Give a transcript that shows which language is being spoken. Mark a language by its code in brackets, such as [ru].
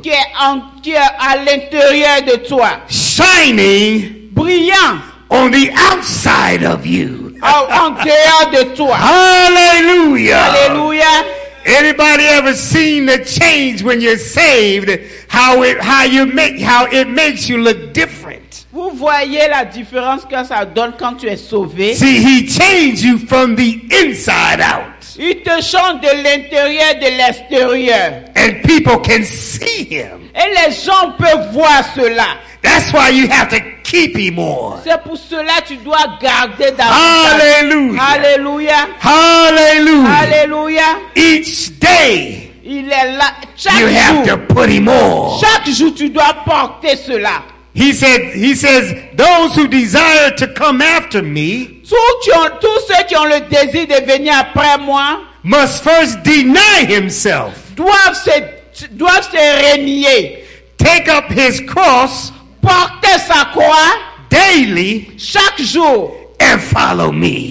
[fr] Qui est à l'intérieur de toi. [en] Shining. [fr] Brillant. [en] On the outside of you. [fr] En dehors de toi. [en] Hallelujah. Hallelujah. Anybody ever seen the change when you're saved? How it makes you look different. [fr] Vous voyez la différence que ça donne quand tu es sauvé. [en] See, he changed you from the inside out. [fr] Il te change de l'intérieur de l'extérieur. [en] And people can see him. [fr] Et les gens peuvent voir cela. [en] That's why you have to keep him on. [fr] C'est pour cela que tu dois garder dans [en] Hallelujah. Ta... Hallelujah. Hallelujah. Hallelujah. Each day. [fr] Il est là. Chaque [en] you [fr] jour, [en] have to put him on. [fr] Chaque jour tu dois porter cela. [en] He says, those who desire to come after me. [fr] Tous ceux qui ont le désir de venir après moi. [en] Must first deny himself. [fr] Doivent se renier. [en] Take up his cross. [fr] Porter sa croix [en] daily, [fr] chaque jour, [en] and follow me.